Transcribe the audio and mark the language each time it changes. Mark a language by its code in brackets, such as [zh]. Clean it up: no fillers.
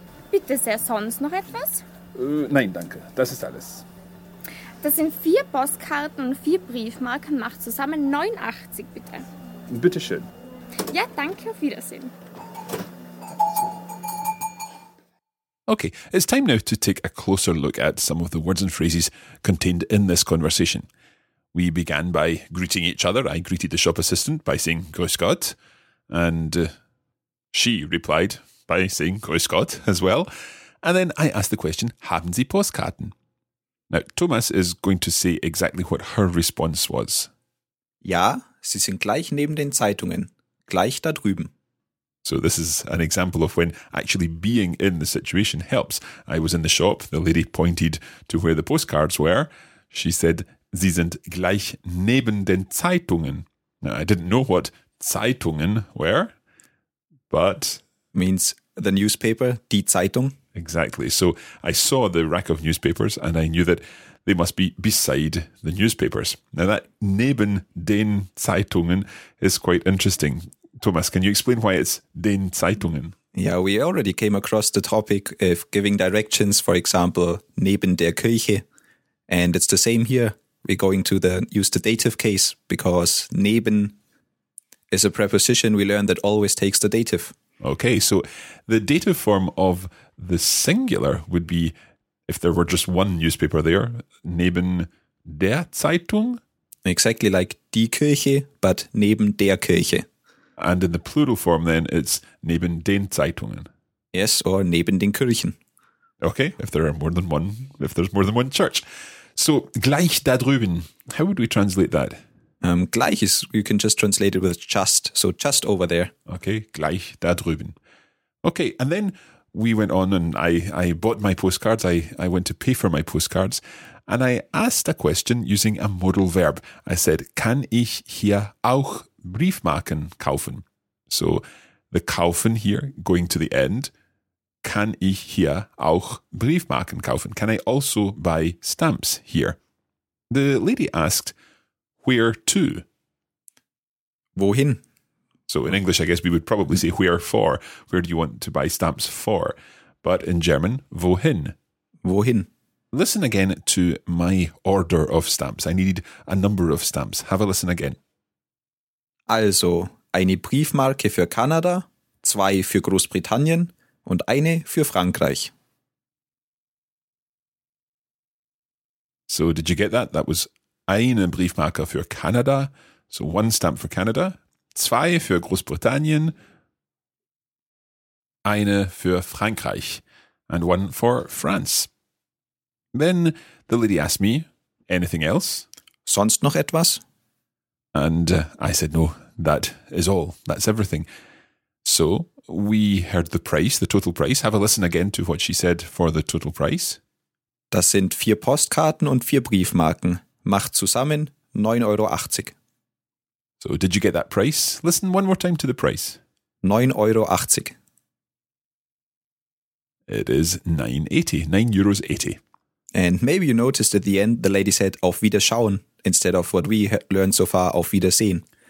[de] Bitte sehr, sonst noch etwas? Nein, danke, das ist alles. Das sind 4 Postkarten und 4 Briefmarken, macht zusammen 89, bitte. Bitte schön. Ja, danke, auf Wiedersehen. [en] Okay, it's time now to take a closer look at some of the words and phrases contained in this conversation. We began by greeting each other. I greeted the shop assistant by saying, [de] Grüß Gott. [en] And she replied by saying, [de] Grüß Gott, [en] as well. And then I asked the question, [de] Haben Sie Postkarten? [en] Now, Thomas is going to say exactly what her response was. [de] Ja, sie sind gleich neben den Zeitungen, gleich da drüben. [en] So this is an example of when actually being in the situation helps. I was in the shop, the lady pointed to where the postcards were. She said, [de] sie sind gleich neben den Zeitungen. [en] Now, I didn't know what Zeitungen were, but... Means the newspaper, die Zeitung. Exactly. So I saw the rack of newspapers and I knew that they must be beside the newspapers. Now that [de] neben den Zeitungen [en] is quite interesting. Thomas, can you explain why it's [de] den Zeitungen? [en] Yeah, we already came across the topic of giving directions, for example, [de] neben der Kirche. [en] And it's the same here. We're going to use the dative case because neben is a preposition we learned that always takes the dative. Okay, so the dative form of the singular would be, if there were just one newspaper there, [de] neben der Zeitung? [en] Exactly like die Kirche, but [de] neben der Kirche. [en] And in the plural form then, it's [de] neben den Zeitungen. [en] Yes, or [de] neben den Kirchen. [en] Okay, if there's more than one church. So, [de] gleich da drüben, [en] how would we translate that? Gleich is, you can just translate it with just, so just over there. [de] Okay, gleich da drüben. [en] Okay, and then we went on and I bought my postcards, I went to pay for my postcards, and I asked a question using a modal verb. I said, [de] kann ich hier auch Briefmarken kaufen? [en] So the kaufen here, going to the end, [de] kann ich hier auch Briefmarken kaufen? [en] Can I also buy stamps here? The lady asked, where to? [de] Wohin? [en] So in English, I guess we would probably say where for. Where do you want to buy stamps for? But in German, wohin? [de] Wohin? [en] Listen again to my order of stamps. I needed a number of stamps. Have a listen again. [de] Also, eine Briefmarke für Kanada, 2 für Großbritannien und 1 für Frankreich. [en] So, did you get that? That was [de] eine Briefmarke für Kanada. [en] So, 1 stamp for Canada, [de] 2 für Großbritannien, 1 für Frankreich, [en] and 1 for France. Then the lady asked me, anything else? [de] Sonst noch etwas? [en] And I said, no, that is all, that's everything. So, we heard the price, the total price. Have a listen again to what she said for the total price. [de] Das sind 4 Postkarten und 4 Briefmarken. Macht zusammen 9,80 €. [en] So, did you get that price? Listen one more time to the price. [de] 9,80 €. [en] It is 9,80. 9,80 €. And maybe you noticed at the end, the lady said, [de] auf Wiederschauen, [en] instead of what we learned so far, [de] auf Wiedersehen.